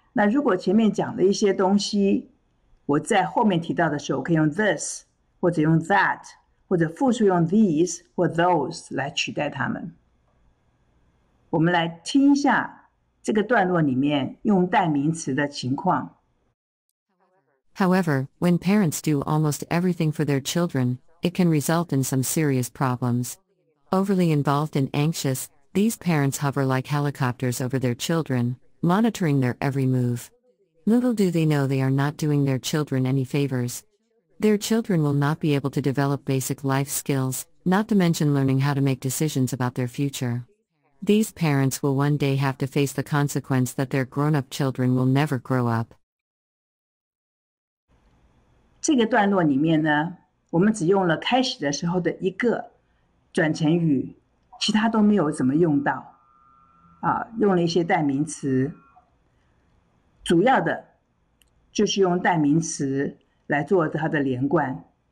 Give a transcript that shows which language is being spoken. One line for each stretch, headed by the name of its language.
Chinese: 那如果前面讲的一些东西，我在后面提到的时候，我可以用 "this"，或者用 "that"，或者复数用 "these" 或 "those" 来取代它们。我们来听一下这个段落里面用代名词的情况。
English: However, when parents do almost everything for their children, it can result in some serious problems. Overly involved and anxious, these parents hover like helicopters over their children, monitoring their every move. Little do they know they are not doing their children any favors. Their children will not be able to develop basic life skills, not to mention learning how to make decisions about their future. These parents will one day have to face the consequence that their grown-up children will never grow up.
Chinese: 这个段落里面呢，我们只用了开始的时候的一个转成语，其他都没有怎么用到，用了一些代名词，主要的就是用代名词来做它的连贯。